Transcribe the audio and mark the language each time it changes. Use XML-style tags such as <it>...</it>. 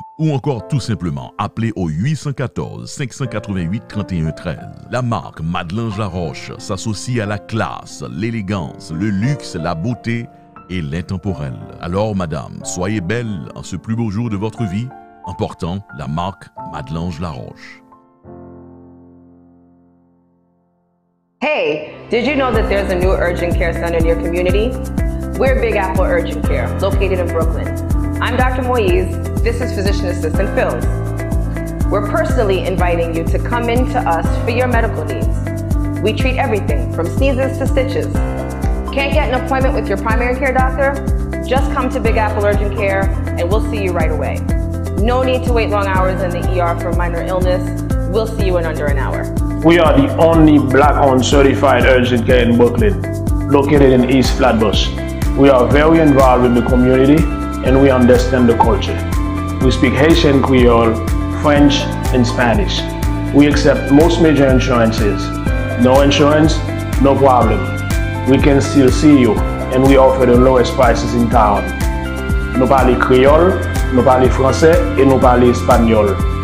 <fr>Ou encore tout simplement, appelez au 814-588-3113. La marque Madelange Laroche s'associe à la classe, l'élégance, le luxe, la beauté et l'intemporel. Alors madame, soyez belle en ce plus beau jour de votre vie en portant la marque Madelange Laroche.</fr> <en>Hey, did you know that there's a new urgent care center in your community? We're Big Apple Urgent Care, located in Brooklyn. I'm Dr. Moise. This is Physician Assistant Phils. We're personally inviting you to come in to us for your medical needs. We treat everything from sneezes to stitches. Can't get an appointment with your primary care doctor? Just come to Big Apple Urgent Care and we'll see you right away. No need to wait long hours in the ER for minor illness. We'll see you in under an hour. We are the only Black-owned certified urgent care in Brooklyn, located in East Flatbush. We are very involved in the community and we understand the culture. We speak Haitian Creole, French, and Spanish. We accept most major insurances. No insurance, no problem. We can still see you, and we offer the lowest prices in town.</en> <fr>Nous parlons Creole, nous parlons Français, et nous parlons Espagnol.</fr>